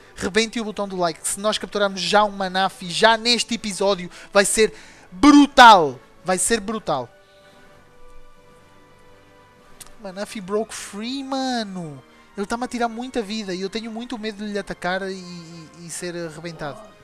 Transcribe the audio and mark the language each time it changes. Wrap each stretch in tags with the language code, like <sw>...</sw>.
<pt>Rebentem o botão do like. Se nós capturarmos já um Manaphy, já neste episódio, vai ser brutal. Vai ser brutal.</pt> <en>Manaphy broke free, mano.</en> <pt>Ele está-me a tirar muita vida. E eu tenho muito medo de lhe atacar e ser arrebentado.</pt>